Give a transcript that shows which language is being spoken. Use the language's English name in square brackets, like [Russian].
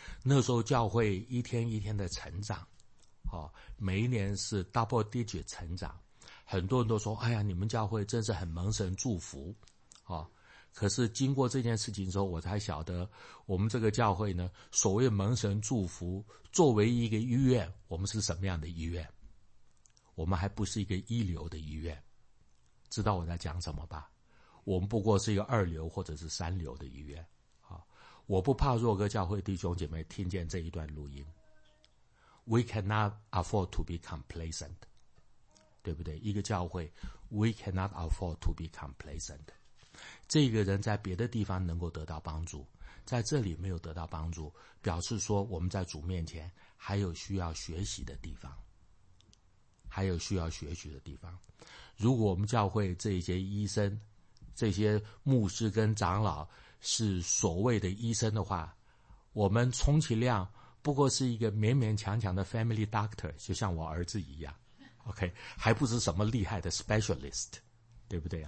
[Chinese] 那时候教会一天一天的成长，哦，每一年是 double digit 成长，很多人都说，哎呀，你们教会真是很蒙神祝福，哦，可是经过这件事情之后，我才晓得我们这个教会呢，所谓蒙神祝福，作为一个医院，我们是什么样的医院？我们还不是一个一流的医院，知道我在讲什么吧？我们不过是一个二流或者是三流的医院，啊，我不怕若哥教会弟兄姐妹听见这一段录音。 [English] We cannot afford to be complacent， [Chinese] 对不对？一个教会 [English] ，We cannot afford to be complacent。 [Chinese] 这个人在别的地方能够得到帮助，在这里没有得到帮助，表示说我们在主面前还有需要学习的地方，还有需要学习的地方。如果我们教会这些医生，这些牧师跟长老是所谓的医生的话，我们充其量不过是一个勉勉强强的 family doctor， 就像我儿子一样， OK， 还不是什么厉害的 specialist， 对不对？